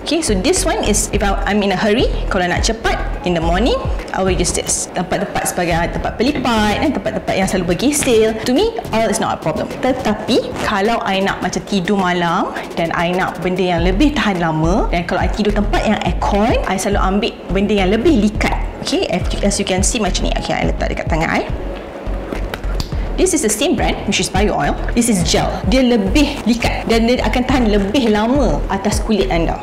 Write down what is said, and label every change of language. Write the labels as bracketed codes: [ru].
[en] Okay, so this one is if I'm in a hurry, [ms] kalau nak cepat [en] in the morning, I will use this. [ms] Tempat-tempat sebagai tempat pelipat dan tempat-tempat yang selalu bergesil, [en] to me oil is not a problem. [ms] Tetapi kalau I nak macam tidur malam dan I nak benda yang lebih tahan lama, dan kalau I tidur tempat yang aircon, I selalu ambil benda yang lebih likat. [en] Okay, as you can see [ms] macam ni. [en] Okay, I [ms] letak dekat tangan [en] I. This is the same brand, which is bio oil. This is gel. [ms] Dia lebih likat dan dia akan tahan lebih lama atas kulit anda.